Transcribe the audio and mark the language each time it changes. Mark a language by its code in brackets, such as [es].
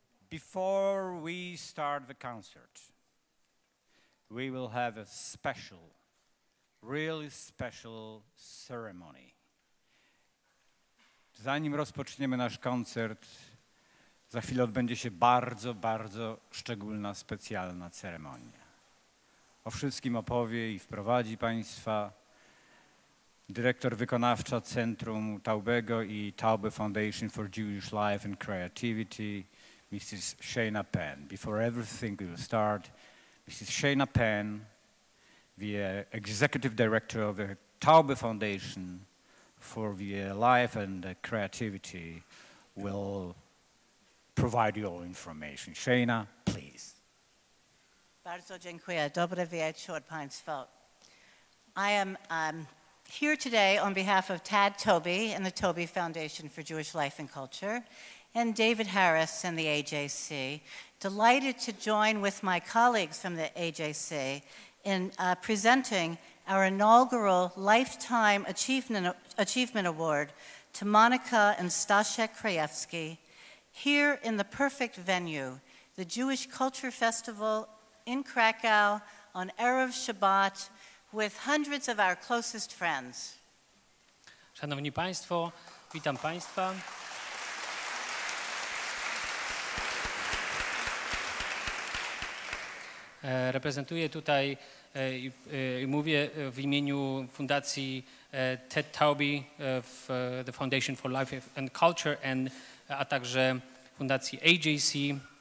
[en] Before we start the concert, we will have a special, really special ceremony. [pl] Zanim rozpoczniemy nasz koncert, za chwilę odbędzie się bardzo, bardzo szczególna, specjalna ceremonia. O wszystkim opowie i wprowadzi Państwa dyrektor wykonawcza Centrum Taubego i Taube Foundation for Jewish Life and Creativity, Mrs. [en] Shana Penn. Before everything will start, Mrs. Shana Penn, the executive director of the Taube Foundation for the Life and the Creativity, will provide you all information. Shana, please. [pl] Bardzo dziękuję. Dobry wieczór Państwo. [en] I am here today on behalf of Tad Tobey and the Tobey Foundation for Jewish Life and Culture, and David Harris and the AJC, delighted to join with my colleagues from the AJC in presenting our inaugural Lifetime Achievement Award to Monica and Staszek Krajewski here in the perfect venue, the Jewish Culture Festival in Krakow on Erev Shabbat with hundreds of our closest friends. [pl] Szanowni Państwo, witam Państwa. Reprezentuję tutaj i mówię w imieniu Fundacji Ted Taubey, the Foundation for Life and Culture, a także Fundacji AJC.